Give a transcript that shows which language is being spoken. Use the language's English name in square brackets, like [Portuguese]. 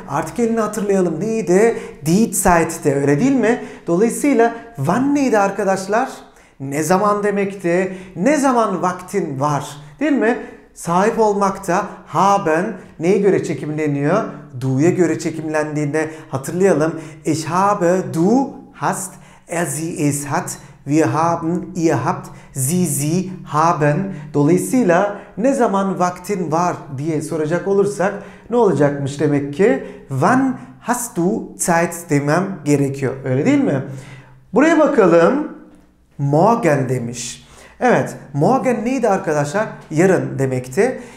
[Turkish] Artık elini hatırlayalım. Neydi? Die Zeit de öyle değil mi? Dolayısıyla wann neydi arkadaşlar? Ne zaman demekti? Ne zaman vaktin var? Değil mi? Sahip olmakta haben neye göre çekimleniyor? Du'ya göre çekimlendiğinde hatırlayalım. [German] Ich habe, du hast, er, sie, es hat, wir haben, ihr habt, sie, sie haben. [Turkish] Dolayısıyla ne zaman vaktin var diye soracak olursak ne olacakmış demek ki? [German] Wann hast du Zeit [Turkish] demem gerekiyor. Öyle değil mi? Buraya bakalım. Morgen demiş. Evet, morgen neydi arkadaşlar? Yarın demekti.